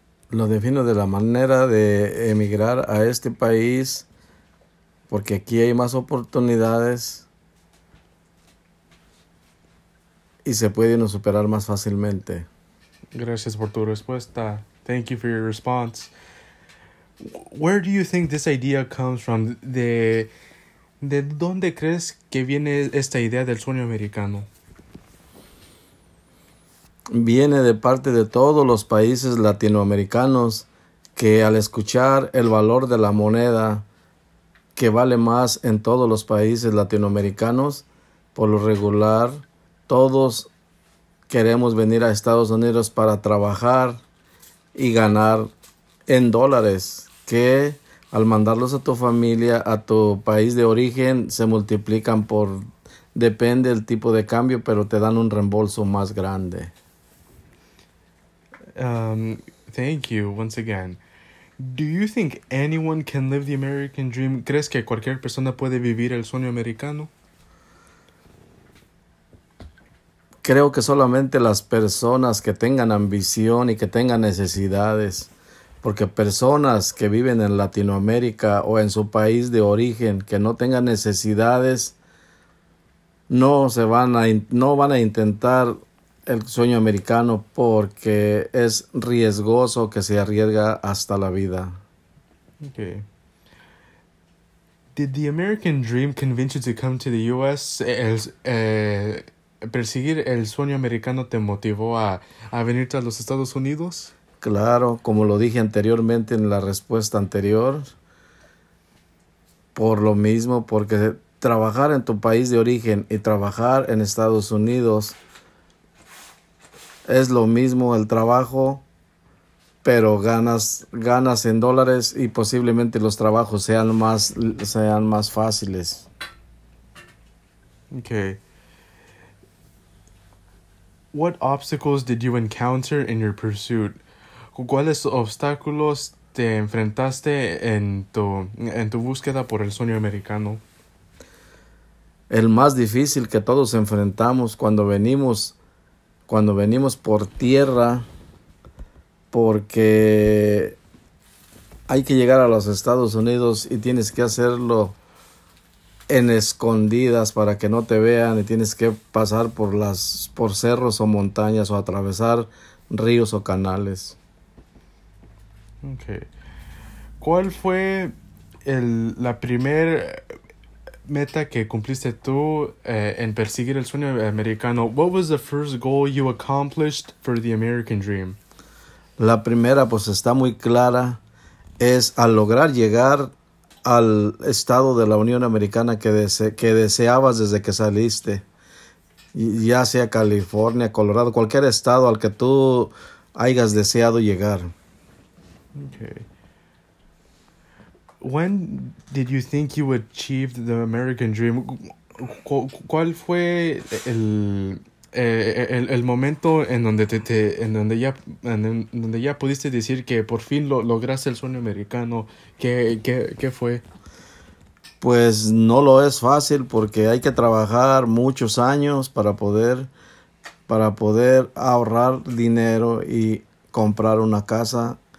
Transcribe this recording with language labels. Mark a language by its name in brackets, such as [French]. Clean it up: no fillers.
[Spanish] Lo defino de la manera de emigrar a este país. Porque aquí hay más oportunidades y se puede uno superar más fácilmente. Gracias por tu respuesta. [English] Thank you for your response. Where do you think this idea comes from? [Spanish] ¿De dónde crees que viene esta idea del sueño americano? Viene de parte de todos los países latinoamericanos que al escuchar el valor de la moneda que vale más en todos los países latinoamericanos, por lo regular, todos queremos venir a Estados Unidos para trabajar y ganar en dólares, que al mandarlos a tu familia, a tu país de origen, se multiplican por, depende del tipo de cambio, pero te dan un reembolso más grande. [English] Thank you once again. Do you think anyone can live the American dream? [Spanish] ¿Crees que cualquier persona puede vivir el sueño americano? Creo que solamente las personas que tengan ambición y que tengan necesidades, porque personas que viven en Latinoamérica o en su país de origen que no tengan necesidades, no van a intentar el sueño americano porque es riesgoso que se arriesga hasta la vida. [English] Okay. Did the American dream convince you to come to the U.S.? [Spanish] ¿Perseguir el sueño americano te motivó a venirte a los Estados Unidos? Claro, como lo dije anteriormente en la respuesta anterior, por lo mismo, porque trabajar en tu país de origen y trabajar en Estados Unidos es lo mismo el trabajo, pero ganas en dólares y posiblemente los trabajos sean más fáciles. [English] Okay. What obstacles did you encounter in your pursuit? [Spanish] ¿Cuáles obstáculos te enfrentaste en tu búsqueda por el sueño americano? El más difícil que todos enfrentamos cuando venimos por tierra, porque hay que llegar a los Estados Unidos y tienes que hacerlo en escondidas para que no te vean, y tienes que pasar por cerros o montañas o atravesar ríos o canales. [English] Okay. [Spanish] ¿Cuál fue la primer meta que cumpliste tú en perseguir el sueño americano? [English] What was the first goal you accomplished for the American dream? [Spanish] La primera, pues está muy clara, es al lograr llegar al estado de la Unión Americana que deseabas desde que saliste, ya sea California, Colorado, cualquier estado al que tú hayas deseado llegar. [English] Okay. When did you think you achieved the American dream? [Spanish] ¿Cuál fue el momento en donde ya pudiste decir que por fin lograste el sueño americano? ¿Qué fue? Pues no lo es fácil porque hay que trabajar muchos años para poder ahorrar dinero y comprar una casa.